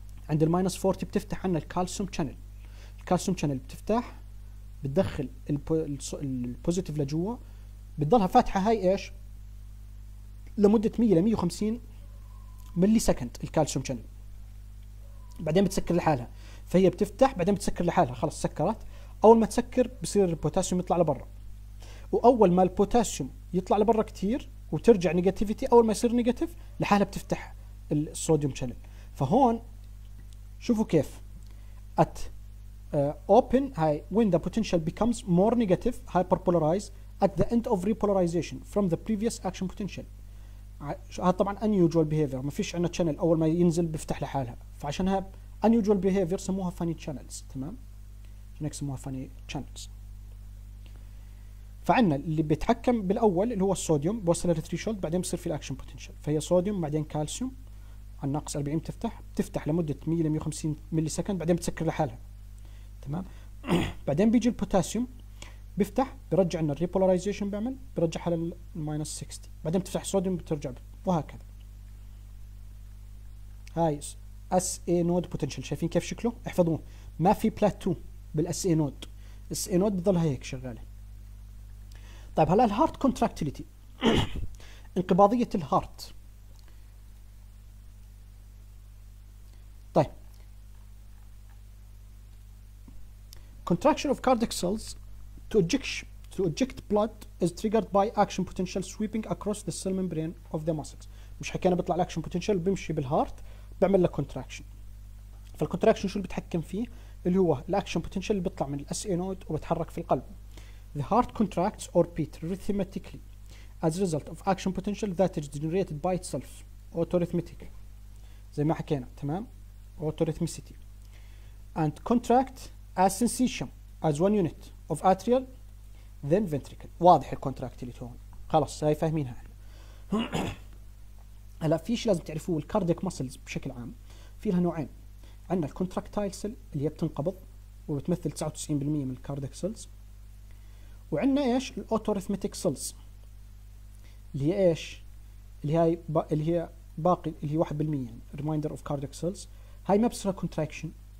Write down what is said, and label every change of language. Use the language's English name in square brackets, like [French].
[Arabic] عند minus 40 بتفتح عندنا الكالسيوم channel، الكالسيوم channel بتفتح بتدخل البوزيتيف لجوا، بتضلها فاتحة هاي ايش؟ لمدة 100 ل 150 ملي سكند الكالسيوم channel، بعدين بتسكر لحالها. فهي بتفتح بعدين بتسكر لحالها، خلص سكرت. اول ما تسكر بصير البوتاسيوم يطلع لبرا، واول ما البوتاسيوم يطلع لبرا كتير وترجع نيجاتيفيتي، اول ما يصير نيجاتيف لحالها بتفتح الصوديوم شانل. فهون شوفوا كيف [English] at open هاي when the potential becomes more negative hyperpolarized at the end of repolarization from the previous action potential. [Arabic] هذا طبعا unusual behavior، ما فيش عندنا channel اول ما ينزل بيفتح لحالها، فعشانها unusual behavior سموها funny channels تمام، عشان هيك سموها funny channels. فعنا اللي بيتحكم بالاول اللي هو الصوديوم بوصل للثريشولد بعدين بصير في الاكشن potential، فهي صوديوم بعدين كالسيوم على ناقص 40 بتفتح، بتفتح لمدة 100 ل 150 ملي سكند بعدين بتسكر لحالها تمام. بعدين بيجي البوتاسيوم بيفتح بيرجع لنا الريبولاريزيشن، بيعمل بيرجعها للماينس 60، بعدين بتفتح صوديوم بترجع وهكذا. هاي اس اي نود بوتنشال، شايفين كيف شكله؟ احفظوه، ما في بلاتو بالاس اي نود، اس اي نود بتضلها هيك شغاله. طيب هلا الهارت كونتراكتيليتي، انقباضيه الهارت. [English] طيب contraction of cardiac cells To eject blood is triggered by action potential sweeping across the cell membrane of the muscles. [Arabic] مش حكينا بيطلع الاكشن بوتنشال بيمشي بالهارت بيعمل له كونتراكشن. فالكونتراكشن شو اللي بتحكم فيه؟ اللي هو الاكشن بوتنشال اللي بيطلع من الاس اي نود وبتحرك في القلب. [English] The heart contracts or beat rhythmically as a result of action potential that is generated by itself autorhythmically. [Arabic] زي ما حكينا تمام؟ autorhythmicity. [English] And contract as sensation as one unit. of atrial then ventricle. [Arabic] واضح الكونتراكتيليتي هون، خلص هاي فاهمينها احنا. هلا في شيء لازم تعرفوه، الكارديك ماسلز بشكل عام في لها نوعين، عندنا الكونتراكتايل سيل اللي هي بتنقبض وبتمثل 99% من الكارديك سيلز، وعندنا ايش؟ الاوتوريثمتيك سيلز اللي هي ايش؟ اللي هي اللي هي باقي اللي هي 1% يعني ريمايندر اوف كارديك سيلز، هاي ما بتصير كونتراكشن